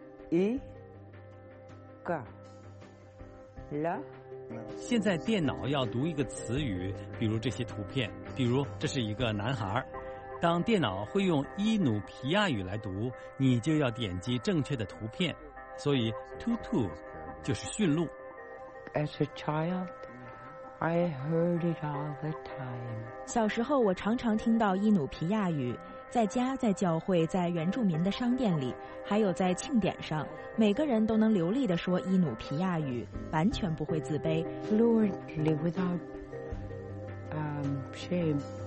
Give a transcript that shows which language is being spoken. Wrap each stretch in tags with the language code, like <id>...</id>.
<zh>一个了。现在电脑要读一个词语，比如这些图片，比如这是一个男孩。当电脑会用伊努皮亚语来读，你就要点击正确的图片。所以 tutu 就是驯鹿。</zh> <en>As a child, I heard it all the time.</en> <zh>小时候我常常听到伊努皮亚语。在家，在教会，在原住民的商店里，还有在庆典上，每个人都能流利地说伊努皮亚语，完全不会自卑。</zh> <en>Fluently without shame.</en>